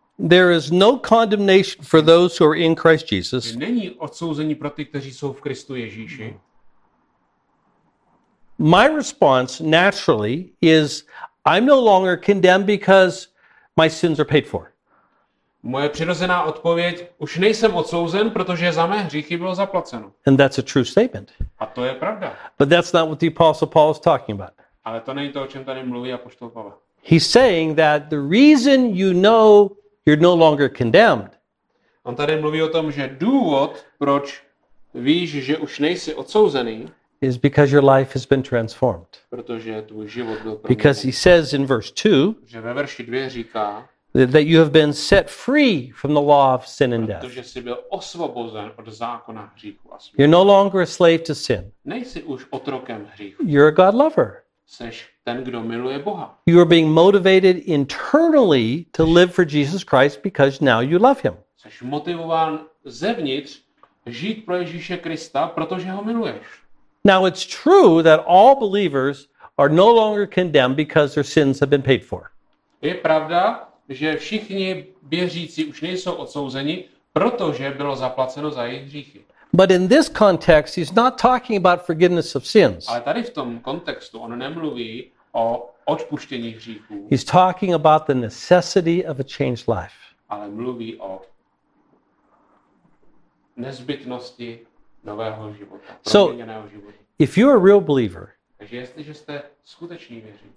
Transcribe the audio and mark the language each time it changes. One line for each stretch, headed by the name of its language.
English: there is no condemnation for those who are in Christ Jesus.
Czech: Není odsouzení pro ty, kteří jsou v Kristu Ježíši.
English: My response naturally is, I'm no longer condemned because my sins are paid for.
Czech: Moje přirozená odpověď, už nejsem odsouzen, protože za mé hříchy bylo zaplaceno.
English: And that's a true statement.
Czech: A to je pravda.
English: But that's not what the Apostle Paul is talking about.
Czech: Ale to není to, o čem tady mluví apoštol Pavel.
English: He's saying that the reason you know you're no longer condemned.
Czech: On tady mluví o tom, že důvod, proč víš, že už nejsi odsouzený,
English: is because your life has been transformed.
Czech: Protože tvůj život byl proměněn.
English: Because he says in verse 2,
Czech: že ve verši 2 říká,
English: that you have been set free from the law of sin and death.
Czech: Protože jsi byl osvobozen od zákona hříchu a smrti.
English: You're no longer a slave to sin.
Czech: Nejsi už otrokem hříchu.
English: You're a God lover.
Czech: Seš ten, kdo miluje Boha.
English: You are being motivated internally to live for Jesus Christ because now you love him.
Czech: Seš motivován zevnitř žít pro Ježíše Krista, protože ho miluješ.
English: Now it's true that all believers are no longer condemned because their sins have been paid for.
Czech: Je pravda, že všichni věřící už nejsou odsouzeni, protože bylo zaplaceno za jejich hříchy.
English: But in this context he's not talking about forgiveness of sins.
Czech: Ale tady v tom kontextu on nemluví o odpuštění hříchů.
English: He's talking about the necessity of a changed life.
Czech: Ale mluví o nezbytnosti nového života,
English: so, if you are a real believer,
Czech: jestliže jste skutečný věřící,